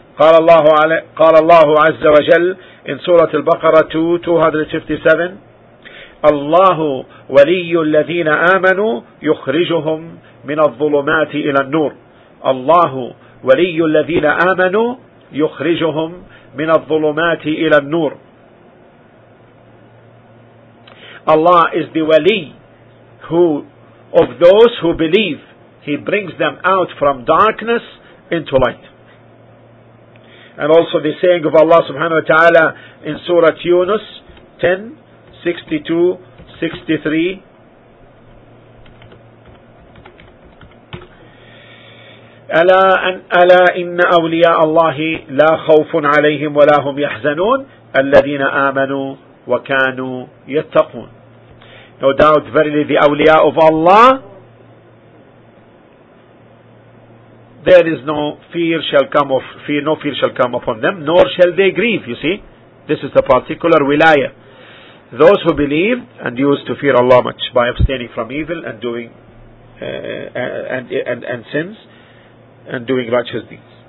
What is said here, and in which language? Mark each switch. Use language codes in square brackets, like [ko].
[ar] قال الله عز وجل [en] in Surah Al-Baqarah 2:257 [ar] الله ولي الذين آمنوا يخرجهم من الظلمات إلى النور. الله ولي الذين آمنوا يخرجهم من الظلمات إلى النور. [en] Allah is the wali who of those who believe. He brings them out from darkness into light. And also the saying of Allah subhanahu wa ta'ala in Surah Yunus 10:62-63. [ar] ألا إن أولياء الله لا خوف عليهم ولا هم يحزنون الذين آمنوا وكانوا يتقون. [en] No doubt, verily the awliya of Allah, there is no fear shall come of fear, no fear shall come upon them, nor shall they grieve. You see, this is the particular wilaya. Those who believe and used to fear Allah much by abstaining from evil and doing and sins and doing righteous deeds.